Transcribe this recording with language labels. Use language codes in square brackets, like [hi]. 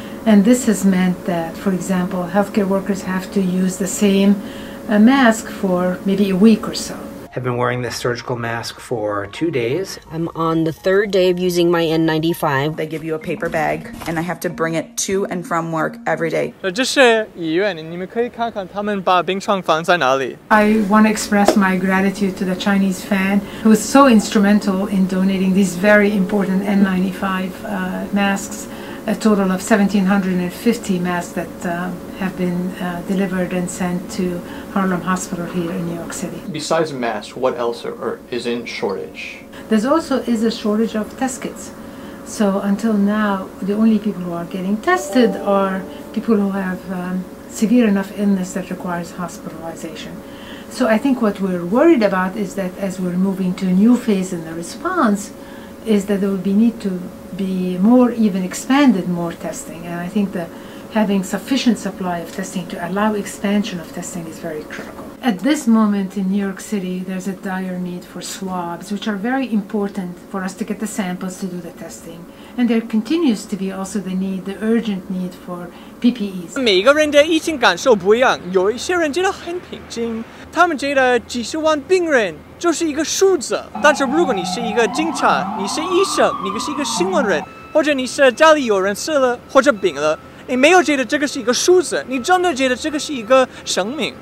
[en] And this has meant that, for example, healthcare workers have to use the same mask for maybe a week or so. I've been wearing this surgical mask for 2 days. I'm on the 3rd day of using my N95. They give you a paper bag, and I have to bring it to and from work every day. [zh] 这是医院，你们可以看看他们把病床放在哪里。 [en] I want to express my gratitude to the Chinese fan who was so instrumental in donating these very important N95 masks, a total of 1,750 masks that have been delivered and sent to Harlem Hospital here in New York City. Besides masks, what else is in shortage? There also is a shortage of test kits. So until now, the only people who are getting tested are people who have severe enough illness that requires hospitalization. So I think what we're worried about is that as we're moving to a new phase in the response, is that there will be need to be more, even expanded more testing. And I think that having sufficient supply of testing to allow expansion of testing is very critical. At this moment in New York City, there's a dire need for swabs, which are very important for us to get the samples to do the testing. And there continues to be also the need, the urgent need for PPEs. [zh] 每个人的疫情感受不一样，有一些人觉得很平静，他们觉得几十万病人就是一个数字。但是如果你是一个警察，你是医生，你是一个新闻人，或者你是家里有人死了或者病了，你没有觉得这个是一个数字，你真的觉得这个是一个生命。